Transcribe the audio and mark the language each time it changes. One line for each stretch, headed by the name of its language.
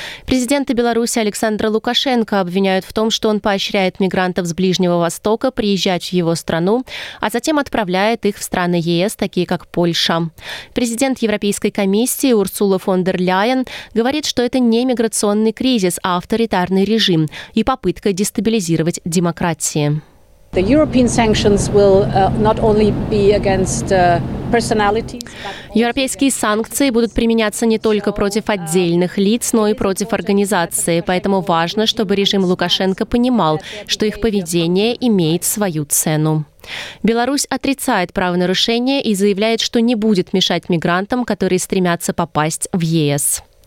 Russian: Президента Беларуси Александра Лукашенко обвиняют в том, что он поощряет мигрантов с Ближнего Востока приезжать в его страну, а затем отправляет их в страны ЕС, такие как Польша. Президент Европейской комиссии Урсула фон дер Ляйен говорит, что это не миграционный кризис, а авторитарный режим и попытка дестабилизировать демократии.
English: The European sanctions will not only be against personalities.
Russian: Европейские санкции будут применяться не только против отдельных лиц, но и против организации, поэтому важно, чтобы режим Лукашенко понимал, что их поведение имеет свою цену. Беларусь отрицает правонарушения и заявляет, что не будет мешать мигрантам, которые стремятся попасть в ЕС.